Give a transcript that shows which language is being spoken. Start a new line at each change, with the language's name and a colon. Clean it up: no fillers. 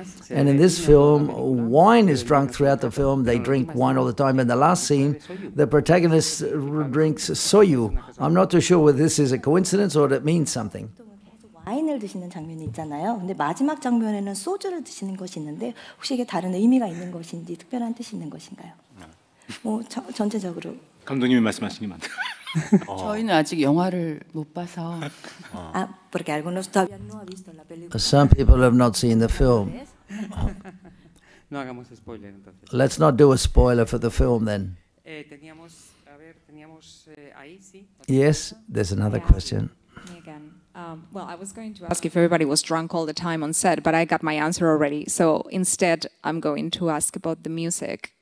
English: And in this film, wine is drunk throughout the film, they drink wine all the time. In the last scene, the protagonist drinks soju. I'm not too sure whether this is a coincidence or that means something.
Korean: 와인을 드시는 장면이 있잖아요. 근데 마지막 장면에는 소주를 드시는 것이 있는데 혹시 이게 다른 의미가 있는 것인지 특별한 뜻이 있는 것인가요? 뭐 전체적으로 감독님이 말씀하신 게 맞다. 저희는 아직 영화를 못 봐서
Spanish: 아, porque algunos todavía no ha visto la película.
English: Some people have not seen the film.
Spanish: No hagamos spoiler entonces.
English: Let's not do a spoiler for the film then.
Spanish: Teníamos, a ver, teníamos ahí, sí.
English: Yes, there's another question. Well, I was going to ask if everybody was drunk all the time on set, but I got my answer already. So instead, I'm going to ask about the music.